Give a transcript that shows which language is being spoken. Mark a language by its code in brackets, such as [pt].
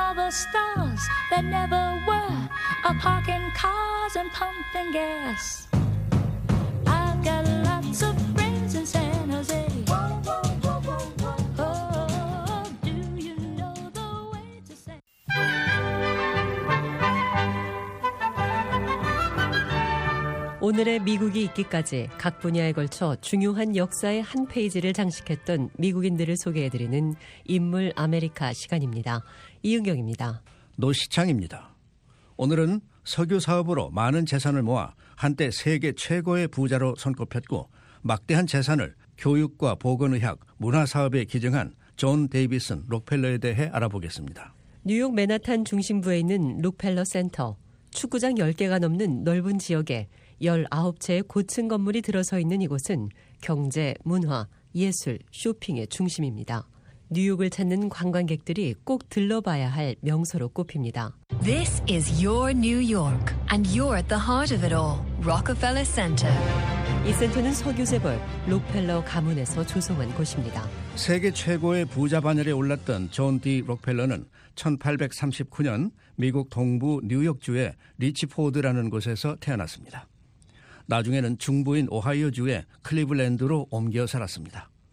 [en] Stars that never were are parking cars and pumping gas. I've got lots of friends in San Jose. Oh, do you know the way to San Jose? [ko] 오늘의 미국이 있기까지 각 분야에 걸쳐 중요한 역사의 한 페이지를 장식했던 미국인들을 소개해드리는 인물 아메리카 시간입니다. 이은경입니다. 노시창입니다. 오늘은 석유 사업으로 많은 재산을 모아 한때 세계 최고의 부자로 손꼽혔고 막대한 재산을 교육과 보건의학, 문화사업에 기증한 존 데이비슨 록펠러에 대해 알아보겠습니다. 뉴욕 맨하탄 중심부에 있는 록펠러 센터. 축구장 10개가 넘는 넓은 지역에 19채의 고층 건물이 들어서 있는 이곳은 경제, 문화, 예술, 쇼핑의 중심입니다. 뉴욕을 찾는 관광객들이 꼭 들러봐야 할 명소로 꼽힙니다. [en] This is your New York, and you're at the heart of it all. Rockefeller Center. [ko] 이 센터는 석유 재벌 록펠러 가문에서 조성한 곳입니다. 세계 최고의 부자 반열에 올랐던 존 D. 록펠러는 1839년 미국 동부 뉴욕주의 리치포드라는 곳에서 태어났습니다. 나중에는 중부인 오하이오주의 클리블랜드로 옮겨 살았습니다.